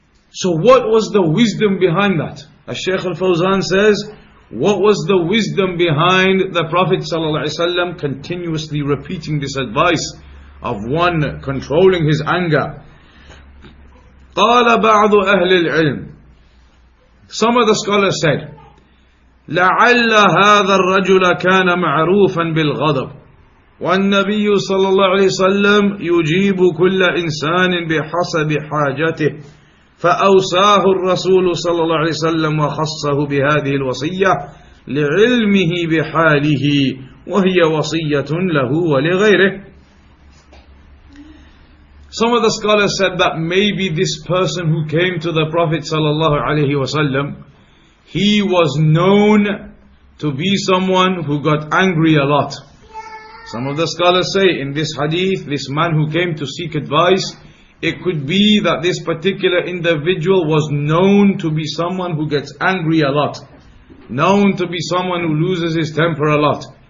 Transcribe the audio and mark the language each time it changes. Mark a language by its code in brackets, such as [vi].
[en] So what was the wisdom behind that? As Shaykh Al-Fawzan says, what was the wisdom behind the Prophet ﷺ continuously repeating this advice of one controlling his anger? [ar] قَالَ بَعْضُ أَهْلِ الْعِلْمِ. [en] Some of the scholars said, [ar] لَعَلَّ هَذَا الرَّجُلَ كَانَ مَعْرُوفًا بِالْغَضَبِ والنبي صلى الله عليه وسلم يجيب كل إنسان بحسب حاجته فأوساه الرسول صلى الله عليه وسلم وخصه بهذه الوصية لعلمه بحاله وهي وصية له ولغيره. [en] Some of the scholars said that maybe this person who came to the Prophet صلى الله عليه وسلم, he was known to be someone who got angry a lot. Some of the scholars say in this hadith, this man who came to seek advice, it could be that this particular individual was known to be someone who gets angry a lot, known to be someone who loses his temper a lot.